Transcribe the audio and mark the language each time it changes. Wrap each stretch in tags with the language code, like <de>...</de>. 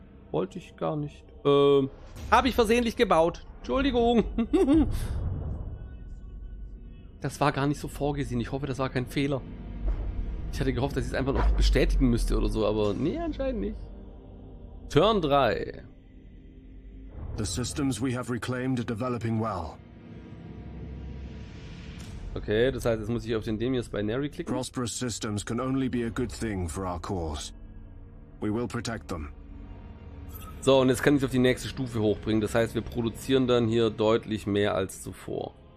<de>Wollte ich gar nicht. Habe ich versehentlich gebaut. Entschuldigung. Das war gar nicht so vorgesehen. Ich hoffe, das war kein Fehler. Ich hatte gehofft, dass ich es einfach noch bestätigen müsste oder so, aber nee, anscheinend nicht.</de> <en>Turn 3. The systems we have reclaimed are developing well.</en> <de>Okay, das heißt, jetzt muss ich auf den Demios Binary klicken.</de> <en>Prosperous systems can only be a good thing for our cause. We will protect them.</en> <de>So, und jetzt kann ich es auf die nächste Stufe hochbringen. Das heißt, wir produzieren dann hier deutlich mehr als zuvor.</de>